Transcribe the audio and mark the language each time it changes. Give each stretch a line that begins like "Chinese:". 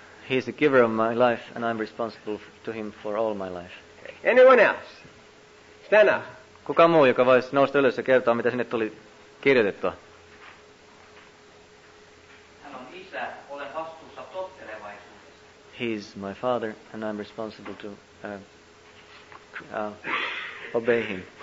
English: He's the giver of my life, and I'm responsible to him for all my life. Okay. Anyone else? Stand up.
Finnish: Kuka muu, joka voisi nousta ylös ja kertoa, mitä sinne tuli kirjoitettua? Hän on isä, olen vastuussa tottelevaisuudesta.
English: He's my father, and I'm responsible to obey him.